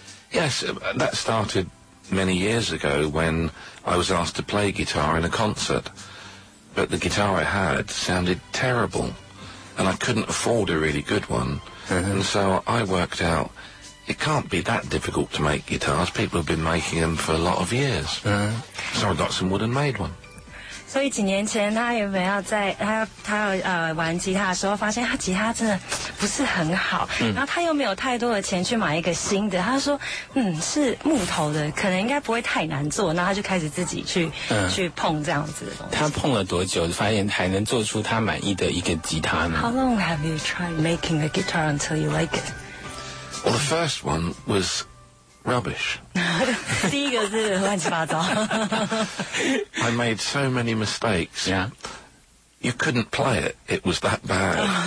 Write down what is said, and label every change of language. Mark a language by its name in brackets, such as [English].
[English] Yes, that started many years ago when I was asked to play guitar in a concert, but the guitar I had sounded terrible. And I couldn't afford a really good one.、Uh-huh. And so I worked out, it can't be that difficult to make guitars. People have been making them for a lot of years.、Uh-huh. So I got some wood and made one. [Chinese] 所以几年前他原本要在他要玩吉他的时候，发现他吉他真的不是很好、嗯、然后他又没有太多的钱去买一个新的，他说嗯是木头的可能应该不会太难做，那他就开始自己去碰这样子的东西。他碰了多久发现还能做出他满意的一个吉他呢？ [English] How long have you tried making a guitar until you like it? Well, the first one was rubbish. [Chinese] 第一个是乱七八糟。 [English] I made so many mistakes. Yeah. You couldn't play it. It was that bad.